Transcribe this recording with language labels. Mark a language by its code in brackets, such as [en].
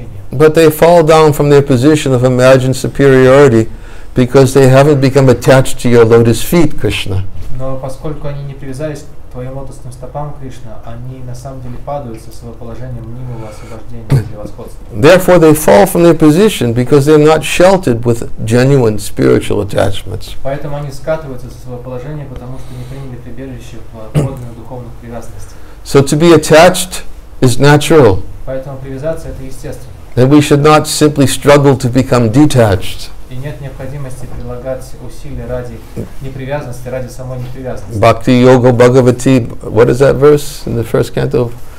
[en] But they fall down from their position of imagined superiority because they haven't become attached to your lotus feet, Krishna. [ru] Но поскольку они не привязались к твоим лотосным стопам, Кришна, они на самом деле падают со своего положения мнимого освобождения или восходства. [en] Therefore they fall from their position because they're not sheltered with genuine spiritual attachments. [ru] Поэтому они скатываются со своего положения, потому что не приняли прибежище в подлинных духовных привязанностях. [en] So to be attached is natural. [ru] Поэтому привязаться это естественно. [en] And we should not simply struggle to become detached. [ru] И нет необходимости прилагать усилия ради непривязанности, ради самой непривязанности. [sa] Bhakti Yoga Bhagavati, [en] what is that verse in the first canto?